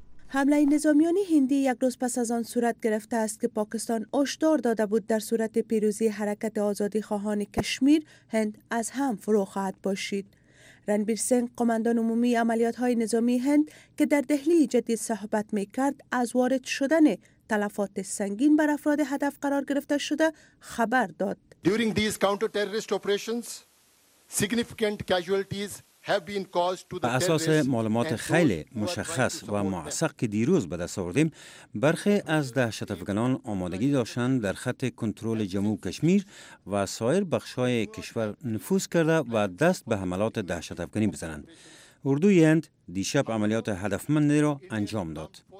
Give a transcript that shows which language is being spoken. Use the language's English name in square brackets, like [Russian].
[Persian] حمله نظامیان هندی یک روز پس از آن صورت گرفته است که پاکستان هشدار داده بود در صورت پیروزی حرکت آزادی خواهان کشمیر هند از هم فرو خواهد پاشید. رنبیر سنگ قمندان عمومی عملیات های نظامی هند که در دهلی جدید صحبت می کرد از وارد شدن تلفات سنگین بر افراد هدف قرار گرفته شده خبر داد. [English] During these counter-terrorist operations, significant casualties have been caused to the [Persian] اساس معلومات خیلی مشخص و موثق که دیروز به دست آوردیم، برخی از دهشت افغانان آمادگی داشتند در خط کنترل جنوب کشمیر و سایر بخش‌های کشور نفوذ کرده و دست به حملات دهشت افغانی بزنند. اردوی هند دیشب عملیات هدفمندی را انجام داد.